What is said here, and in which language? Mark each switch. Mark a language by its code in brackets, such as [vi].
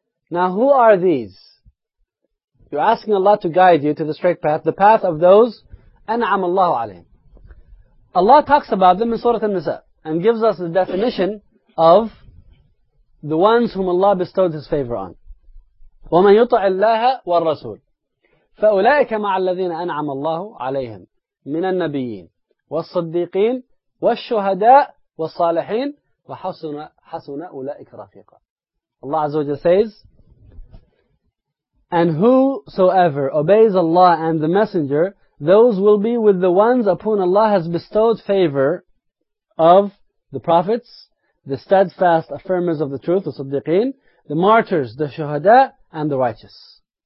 [en] Now who are these? You're asking Allah to guide you to the straight path. The path of those, [ar] أنعم الله عليهم. [en] Allah talks about them in Surah An-Nisa. And gives us the definition of the ones whom Allah bestowed His favor on. [ar] وَمَنْ يُطَعِ اللَّهَ وَالرَّسُولِ فَأُولَئِكَ مَعَ الَّذِينَ أَنْعَمَ اللَّهُ عَلَيْهِمْ مِنَ النَّبِيِّينَ والصديقين والشهداء والصالحين وحسن أولئك رفيقا. [en] Allah Azza wa Jalla says, and whosoever obeys Allah and the Messenger, those will be with the ones upon Allah has bestowed favor of the prophets, the steadfast affirmers of the truth, the صديقين, the martyrs, the shuhada, and the righteous.